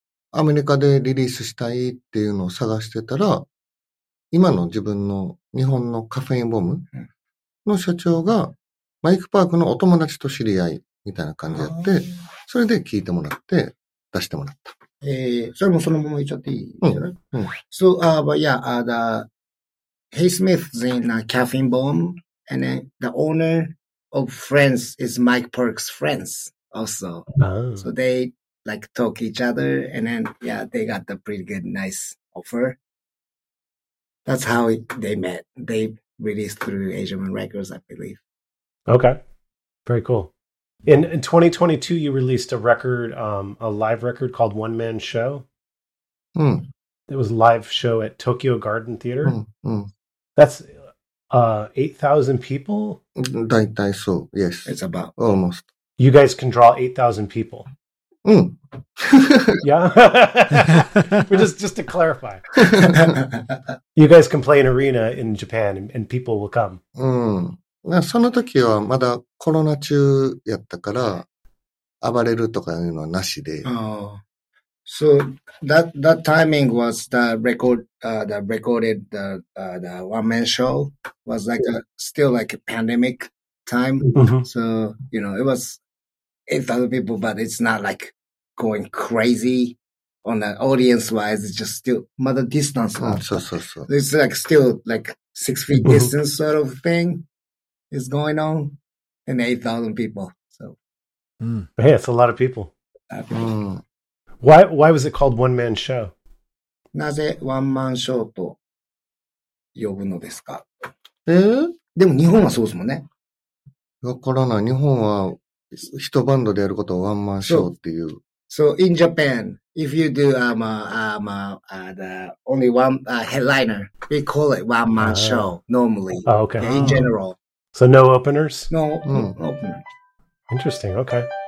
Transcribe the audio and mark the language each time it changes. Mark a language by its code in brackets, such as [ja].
[ja] アメリカでリリースしたいっていうのを探してたら、今の自分の日本のカフェインボムの社長がマイク・パークのお友達と知り合いみたいな感じでやって、それで聞いてもらって、出してもらった。それもそのまま言っちゃっていいんじゃない？うん。 [en] So, but yeah, the, Hey Smith is in a caffeine bomb, and then the owner of Friends is Mike Perks' friends also. Oh. So they like talk each other, and then, yeah, they got the pretty good, nice offer. That's how they met. They released through Asia Man Records, I believe. Okay. Very cool. In 2022, you released a record, a live record called One Man Show. Mm. It was a live show at Tokyo Garden Theater. Mm, mm. That's 8,000 people? [ja] Daitai so, yes. [en] It's about. Almost. You guys can draw 8,000 people. Mm. Yeah? just to clarify. You guys can play an arena in Japan and people will come. Mm. [ja] その時はまだコロナ中やったから、暴れるとかいうのはなしで。 [en] So, that timing was the record, the recorded, the one man show was like a, still like a pandemic time.、 Mm-hmm. So, you know, it was 8,000 people, but it's not like going crazy on the audience wise. It's just still, [ja] まだ [en] distance. [ja] そうそうそう。 [en] It's like still like 6 feet distance sort of thing. Is going on in 8,000 people. So, hey, that's a lot of people. Why was it called One Man Show? [ja] なぜ One Man Show と呼ぶのですか？え？でも日本はそうですもんね。わからない。日本は一バンドでやることをワンマンショーっていう。 [en] So in Japan, if you do the only one headliner, we call it One Man Show normally. Oh, okay. In general. So no openers? No, no openers. Interesting, okay.